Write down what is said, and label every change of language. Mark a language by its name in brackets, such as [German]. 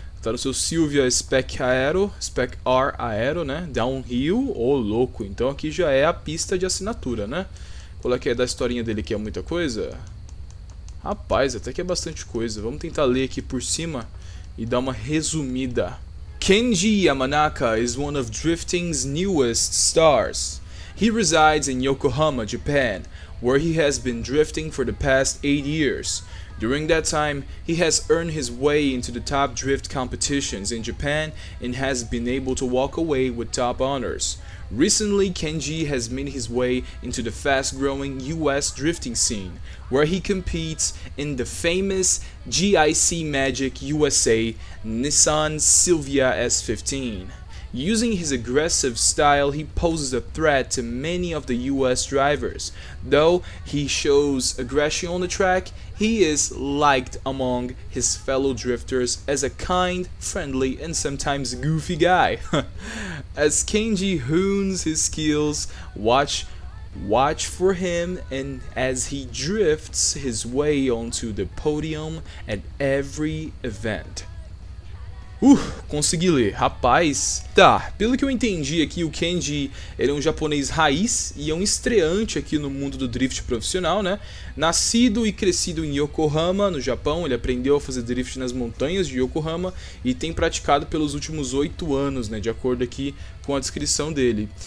[Portuguese] Tá no seu Silvia Spec Aero, Spec R Aero, né? Downhill, ô louco. Então aqui já é a pista de assinatura, né? Qual é que é da historinha dele aqui? É muita coisa? Rapaz, até que é bastante coisa. Vamos tentar ler aqui por cima e dar uma resumida. [English] Kenji Yamanaka is one of drifting's newest stars. He resides in Yokohama, Japan, where he has been drifting for the past 8 years. During that time, he has earned his way into the top drift competitions in Japan and has been able to walk away with top honors. Recently, Kenji has made his way into the fast-growing US drifting scene, where he competes in the famous GIC Magic USA Nissan Silvia S15. Using his aggressive style, he poses a threat to many of the US drivers. Though he shows aggression on the track, he is liked among his fellow drifters as a kind, friendly, and sometimes goofy guy. As Kenji hones his skills, watch for him and as he drifts his way onto the podium at every event. [Portuguese] Consegui ler, rapaz. Tá, pelo que eu entendi aqui, o Kenji, ele é um japonês raiz e é um estreante aqui no mundo do drift profissional, né? Nascido e crescido em Yokohama, no Japão, ele aprendeu a fazer drift nas montanhas de Yokohama e tem praticado pelos últimos 8 anos, né? De acordo aqui com a descrição dele.